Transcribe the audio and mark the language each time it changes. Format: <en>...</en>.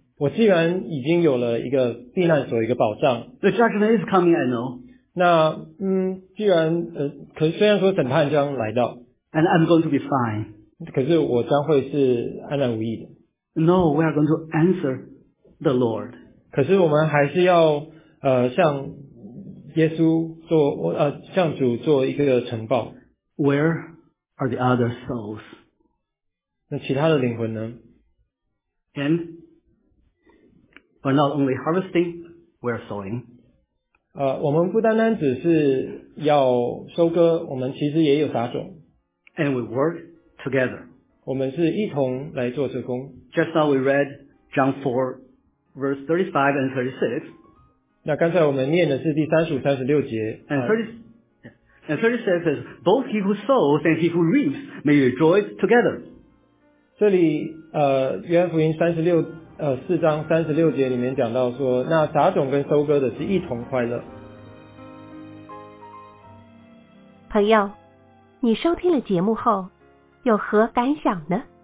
<zh>我既然已经有了一个避难所，一个保障。</zh> <en>The judgment is coming, I know.</en> <zh>那既然可是虽然说审判将来到。</zh> <en>And I'm going to be fine.</en> <zh>可是我将会是安然无益的。</zh> <en>No, we are going to answer the Lord.</en> <zh>可是我们还是要向耶稣做向主做一个呈报。</zh> <en>Where are the other souls?</en> <zh>那其他的灵魂呢？</zh> <en>And we're not only harvesting, we're sowing.</en> <zh>我们不单单只是要收割，我们其实也有撒种。</zh> <en>And we work together.</en> <zh>我们是一同来做这工。</zh> <en>Just now we read John 4, verse 35 and 36.</en> <zh>那刚才我们念的是第35、36节。</zh> <en>And 36 says, both he who sows and he who reaps may rejoice together.</en> <zh>这里约翰福音四章三十六节里面讲到说，那撒种跟收割的是一同快乐。朋友，你收听了节目后有何感想呢？</zh>